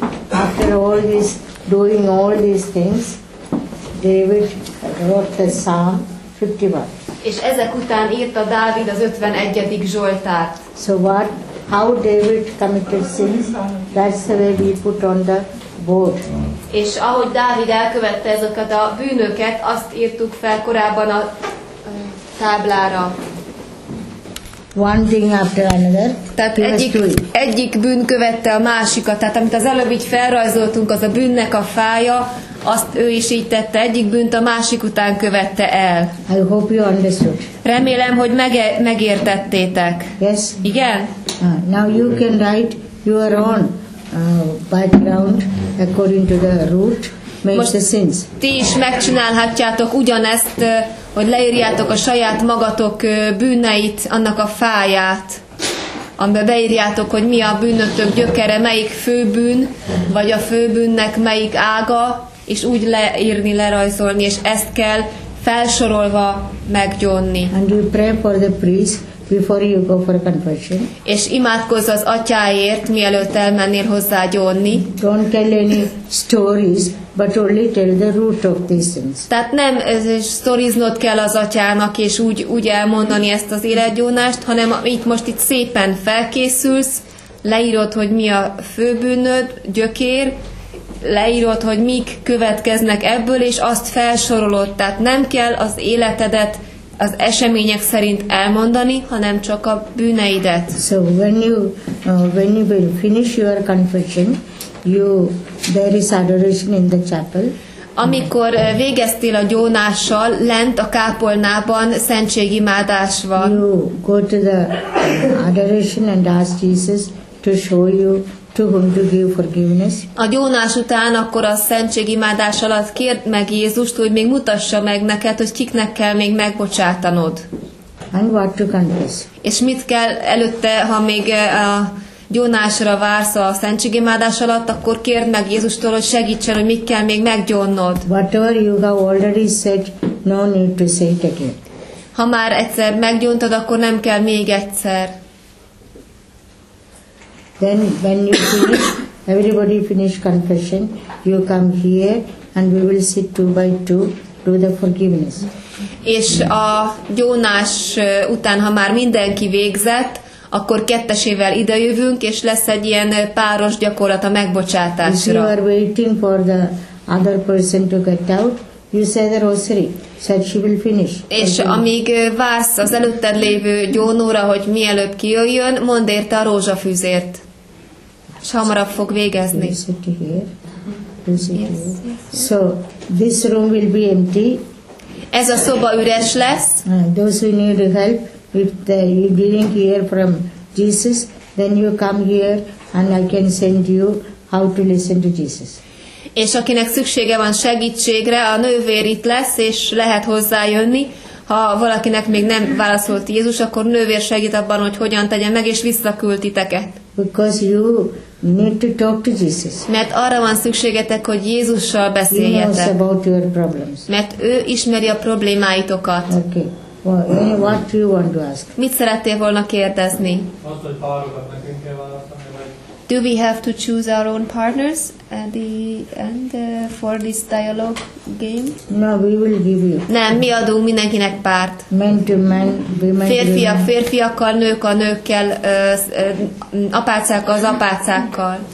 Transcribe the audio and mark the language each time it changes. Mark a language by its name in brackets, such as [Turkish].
[English] After all this, doing all these things, David wrote the Psalm 51. [Hungarian] És ezek után írta Dávid az 51. zsoltárt. [English] So what? How David committed sins? That's the way we put on the board. [Hungarian] És ahogy Dávid elkövette ezeket a bűnöket, azt írtuk fel korábban a táblára. [English] One thing after another. [Hungarian] Tehát egyik bűn követte a másikat. Tehát amit az előbb így felrajzoltunk, az a bűnnek a fája, azt ő is így tette, egyik bűnt a másik után követte el. [English] I hope you understood. [Hungarian] Remélem, hogy megértettétek. [English] Yes. [Hungarian] Igen? [English] Now you can write your own background according to the root. [Hungarian] Most ti is megcsinálhatjátok ugyanezt, hogy leírjátok a saját magatok bűneit, annak a fáját, amiben beírjátok, hogy mi a bűnötök gyökere, melyik főbűn, vagy a főbűnnek melyik ága, és úgy leírni, lerajzolni, és ezt kell felsorolva meggyónni. [English] And you pray for the priest before you go for confession. [Hungarian] És imádkozz az atyáért, mielőtt elmennél hozzá gyónni. [English] Don't tell any stories, but only tell the root of these things. [Hungarian] Tehát nem sztoriznod kell az atyának, és úgy elmondani ezt az életgyónást, hanem itt most itt szépen felkészülsz, leírod, hogy mi a fő bűnöd, gyökér, leírod, hogy mik következnek ebből, és azt felsorolod. Tehát nem kell az életedet az események szerint elmondani, hanem csak a bűneidet. [English] So when you will finish your confession, there is adoration in the chapel. [Hungarian] Amikor végeztél a gyónással, lent a kápolnában szentségimádás van. [English] You go to the adoration and ask Jesus to show you to whom to give forgiveness. [Hungarian] A gyónás után akkor a szentségimádás alatt kérd meg Jézust, hogy még mutassa meg neked, hogy kiknek kell még megbocsátanod. [English] And what to confess. [Hungarian] És mit kell előtte, ha még a gyónásra vársz a szentségimádás alatt, akkor kérd meg Jézustól, hogy segítsen, hogy mit kell még meggyónnod. [English] Whatever you have already said, no need to say it again. [Hungarian] Ha már egyszer meggyóntad, akkor nem kell még egyszer. [English] Then when you finish, everybody finish confession, you come here and we will sit two by two, do the forgiveness. [Hungarian] És a gyónás után, ha már mindenki végzett, akkor kettesével idejövünk, és lesz egy ilyen páros gyakorlat a megbocsátásra. [English] If you are waiting for the other person to get out, you say the rosary, so she will finish. [Hungarian] És amíg vársz az előtted lévő gyónóra, hogy mielőbb kijöjjön, mondd érte a rózsafűzért. És hamarabb fog végezni. [English] You sit here. You sit here. So, this room will be empty. [Hungarian] Ez a szoba üres lesz. [English] Those who need help, if you didn't hear from Jesus, then you come here and I can send you how to listen to Jesus. [Hungarian] És akinek szüksége van segítségre, a nővér itt lesz, és lehet hozzájönni. Ha valakinek még nem válaszolt Jézus, akkor nővér segít abban, hogy hogyan tegye meg, és visszaküld titeket. [English] Because you need to talk to Jesus. [Hungarian] Mert arra van szükségetek, hogy Jézussal beszéljetek. [English] He knows about your problems. [Hungarian] Mert ő ismeri a problémáitokat. [English] Okay. Well, what do you want to ask? [Hungarian] Mit szerettél volna kérdezni? Azt, hogy párokat nekünk kell választani. [English] Do we have to choose our own partners at the end for this dialogue game? No, we will give you. [Hungarian] Nem, mi adunk mindenkinek párt. [English] Men to men, women. [Hungarian] Férfiak férfiakkal, nők a nőkkel, apácák az apácákkal.